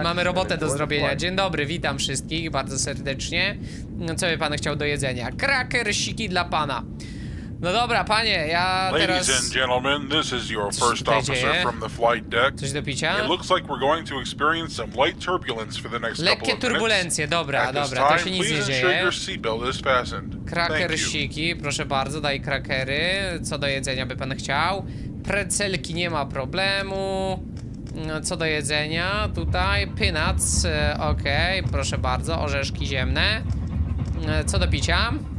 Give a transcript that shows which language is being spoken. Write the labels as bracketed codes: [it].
[pl] Mamy robotę do zrobienia. Dzień dobry, witam wszystkich bardzo serdecznie. Co by pan chciał do jedzenia? Krakersiki dla pana. No dobra, panie, ja teraz... [en] Ladies and gentlemen, this is your first officer from the flight deck. [pl] Coś do picia? [en] It looks like we're going to experience some light turbulence for the next couple of minutes. [pl] Lekkie turbulencje, dobra, dobra, to się nic nie dzieje. Krakersiki, proszę bardzo, daj krakery. Co do jedzenia by pan chciał? Precelki, nie ma problemu. Co do jedzenia, tutaj peanuts, okej, okay, proszę bardzo, orzeszki ziemne. Co do picia?